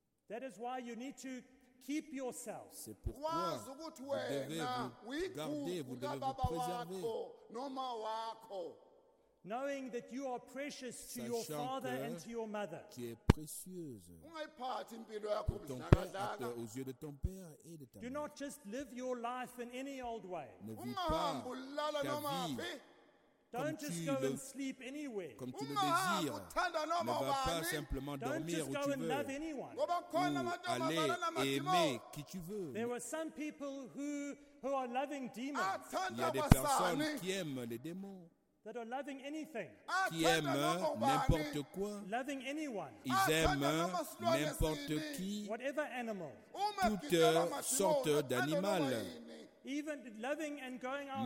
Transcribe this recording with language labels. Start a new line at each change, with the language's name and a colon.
English: That is why you need to keep yourself.
French: C'est pourquoi vous devez vous garder, vous devez vous préserver.
English: Knowing that you are precious to your father and to your mother.
French: Qui est précieuse. Pour ton père, aux yeux de ton père et de ta mère.
English: Do not just live your life in any old way.
French: Ne vis pas ta vie.
English: Don't just go and sleep anywhere.
French: Comme tu le désires. Ne va pas simplement dormir où tu veux.
English: Don't just go and love anyone.
French: Aller et aimer qui tu veux.
English: There were some people who are loving demons.
French: Il y a des personnes qui aiment les démons.
English: That are loving anything.
French: Qui aiment n'importe quoi.
English: Loving anyone.
French: Ils aiment n'importe qui.
English: Whatever animal.
French: Toute sorte d'animal.
English: Even loving and going out